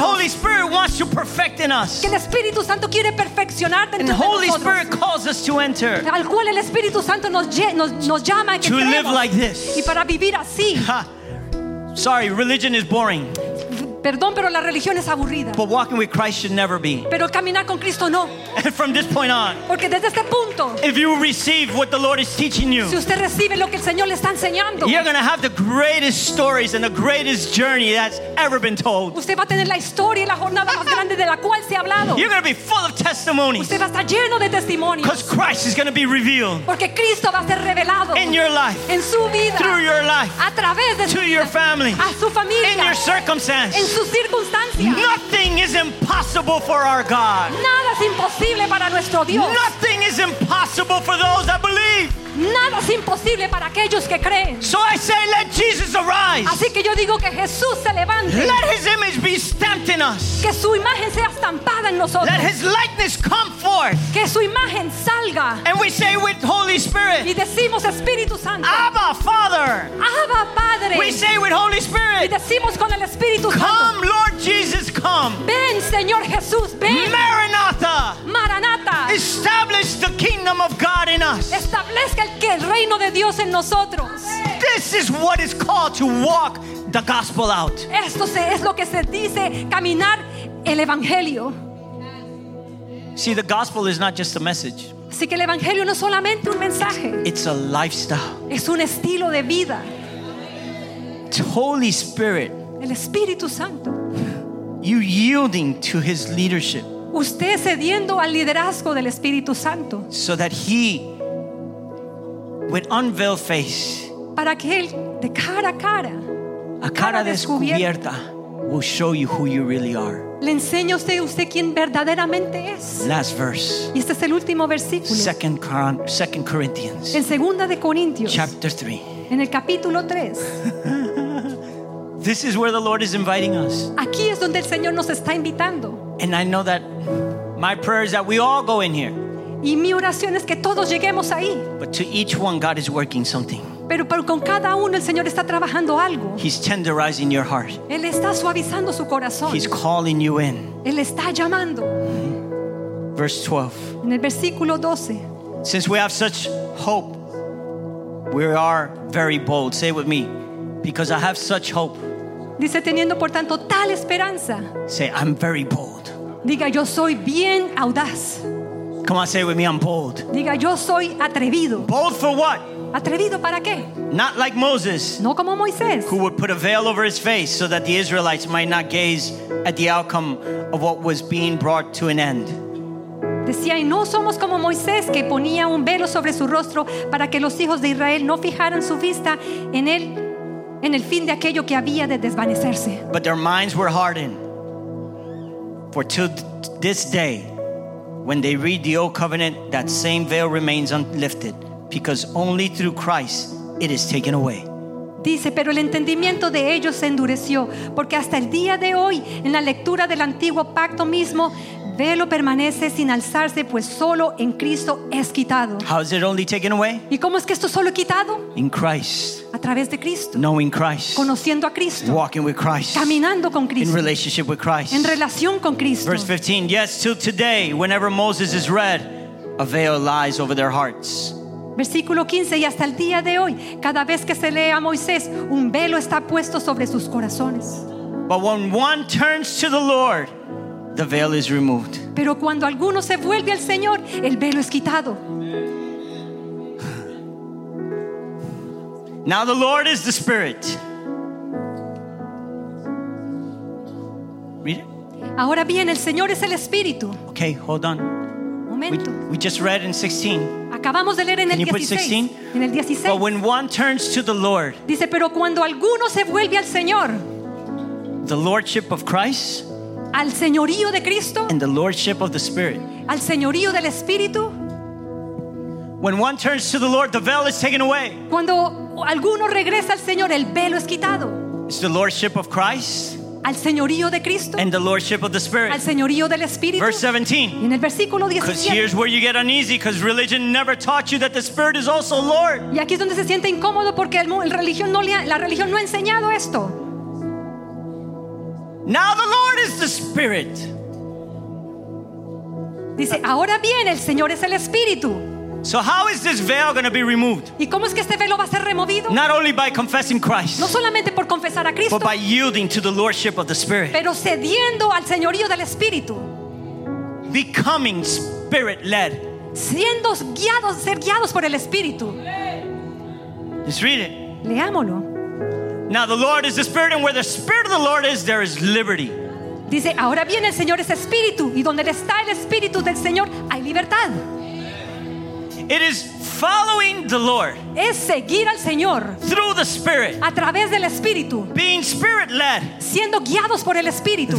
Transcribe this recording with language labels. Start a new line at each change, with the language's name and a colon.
English: That Holy Spirit wants to perfect in us.
Spanish: Que el Espíritu Santo quiere perfeccionar dentro de nosotros.
English: And Holy Spirit calls us to enter.
Spanish: Al cual el Espíritu Santo nos llama a que
English: to live like this.
Spanish: Y para vivir así.
English: Sorry, religion is boring.
Spanish: Perdón, pero la religión es aburrida.
English: But walking with Christ should never be.
Spanish: Pero caminar con Cristo no.
English: And from this point on.
Spanish: Porque desde este punto.
English: If you receive what the Lord is teaching you.
Spanish: Si usted recibe lo que el Señor le está enseñando.
English: You're going to have the greatest stories and the greatest journey that's ever been told.
Spanish: Usted va a tener la historia y la jornada más grande de la cual se ha hablado.
English: You're going to be full of testimonies.
Spanish: Usted va a estar lleno de testimonios.
English: Because Christ is going to be revealed.
Spanish: Porque Cristo va a ser revelado.
English: In your life.
Spanish: En su vida.
English: Through your life.
Spanish: A través de su
English: vida. To your family.
Spanish: A su familia.
English: In your circumstance.
Spanish: Sus circunstancias.
English: Nothing is is impossible for our God.
Spanish: Nada es imposible para nuestro Dios.
English: Nothing is impossible for those that believe.
Spanish: Nada es imposible para aquellos que creen.
English: So I say, let Jesus arise.
Spanish: Así que yo digo que Jesús se levante.
English: Let his image be stamped in us.
Spanish: Que su imagen sea estampada en nosotros.
English: Let his likeness come forth.
Spanish: Que su imagen salga.
English: And we say with Holy Spirit.
Spanish: Y decimos Espíritu Santo.
English: Abba, Father.
Spanish: Abba, Padre.
English: We say with Holy Spirit.
Spanish: Y decimos con el Espíritu Santo.
English: Come, Lord Jesus, come.
Spanish: Ven, Señor Jesús, ven.
English: Maranatha.
Spanish: Maranatha.
English: Establish the kingdom of God in us.
Spanish: Establezca el reino de Dios en nosotros.
English: This is what is called to walk the gospel out.
Spanish: Esto es lo que se dice caminar el evangelio.
English: See, the gospel is not just a message.
Spanish: Así que el evangelio no es solamente un mensaje.
English: It's a lifestyle.
Spanish: Es un estilo de vida.
English: It's Holy Spirit.
Spanish: El Espíritu Santo.
English: You yielding to his leadership.
Spanish: Usted cediendo al liderazgo del Espíritu Santo.
English: So that he with unveiled face,
Spanish: para que él de cara a cara, a cara descubierta,
English: will show you who you really are.
Spanish: Le enseño a usted quién verdaderamente es.
English: Last verse.
Spanish: Y este es el último versículo.
English: Second Corinthians.
Spanish: En segunda de Corintios.
English: Chapter 3.
Spanish: En el capítulo 3.
English: This is where the Lord is inviting us.
Spanish: Aquí es donde el Señor nos está invitando.
English: And I know that my prayer is that we all go in here.
Spanish: Y mi oración es que todos lleguemos ahí.
English: But to each one, God is working something.
Spanish: Pero con cada uno el Señor está trabajando algo.
English: He's tenderizing your heart.
Spanish: Él está suavizando su corazón.
English: He's calling you in.
Spanish: Él está llamando.
English: Verse 12.
Spanish: En el versículo 12.
English: Since we have such hope, we are very bold. Say it with me. Because I have such hope.
Spanish: Dice, teniendo por tanto tal esperanza.
English: Say, I'm very bold.
Spanish: Diga, yo soy bien audaz.
English: Come on, say it with me, I'm bold.
Spanish: Diga, yo soy atrevido.
English: Bold for what?
Spanish: Atrevido para qué?
English: Not like Moses.
Spanish: No como Moisés.
English: Who would put a veil over his face so that the Israelites might not gaze at the outcome of what was being brought to an end.
Spanish: Decía, y no somos como Moisés que ponía un velo sobre su rostro para que los hijos de Israel no fijaran su vista en él, en el fin de aquello que había de desvanecerse.
English: But their minds were hardened. For to this day, when they read the old covenant, that same veil remains unlifted, because only through Christ it is taken away.
Spanish: Dice, pero el entendimiento de ellos se endureció, porque hasta el día de hoy, en la lectura del antiguo pacto mismo, velo permanece sin alzarse, pues solo en Cristo es quitado.
English: How is it only taken away?
Spanish: ¿Y cómo es que esto solo quitado?
English: In Christ.
Spanish: A través de Cristo.
English: Knowing Christ.
Spanish: Conociendo a Cristo.
English: Walking with Christ.
Spanish: Caminando con Cristo.
English: In relationship with Christ.
Spanish: En relación con Cristo.
English: Verse 15. Yes, till today, whenever Moses is read, a veil lies over their hearts.
Spanish: Versículo 15. Y hasta el día de hoy, cada vez que se lee a Moisés, un velo está puesto sobre sus corazones.
English: But when one turns to the Lord, the veil is removed.
Spanish: Pero cuando alguno se vuelve al Señor, el velo es quitado.
English: Now the Lord is the Spirit. Read it.
Spanish: Ahora bien, el Señor es el Espíritu.
English: Okay, hold on.
Spanish: Momento.
English: We just read in 16.
Spanish: Acabamos de leer en
English: Can
Spanish: el 16.
English: Can you put 16?
Spanish: En el 16.
English: But when one turns to the Lord.
Spanish: Dice, pero cuando alguno se vuelve al Señor.
English: The Lordship of Christ.
Spanish: Al Señorío de Cristo.
English: And the Lordship of the Spirit.
Spanish: Al Señorío del Espíritu.
English: When one turns to the Lord, the veil is taken away.
Spanish: Cuando alguno regresa al Señor, el velo es quitado.
English: It's the Lordship of Christ.
Spanish: Al Señorío de Cristo.
English: And the Lordship of the Spirit.
Spanish: Al Señorío del Espíritu.
English: Verse 17.
Spanish: Y en el versículo 17.
English: Because here's where you get uneasy, because religion never taught you that the Spirit is also Lord.
Spanish: Y aquí es donde se siente incómodo porque la religión no ha enseñado esto.
English: Now the Lord is the Spirit.
Spanish: Dice, ahora bien, el Señor es el Espíritu.
English: So how is this veil going to be removed?
Spanish: ¿Y cómo es que este velo va a ser removido?
English: Not only by confessing Christ.
Spanish: No solamente por confesar a Cristo.
English: But by yielding to the Lordship of the Spirit.
Spanish: Pero cediendo al Señorío del Espíritu.
English: Becoming Spirit led.
Spanish: Siendo guiados, ser guiados por el Espíritu.
English: Just read it.
Spanish: Leámoslo.
English: Now the Lord is the Spirit, and where the Spirit of the Lord is, there is liberty.
Spanish: Dice, ahora bien, el Señor es Espíritu, y donde está el Espíritu del Señor, hay libertad.
English: It is Following the Lord.
Spanish: Es seguir al Señor.
English: Through the Spirit.
Spanish: A través del Espíritu.
English: Being Spirit led.
Spanish: Siendo guiados por el Espíritu.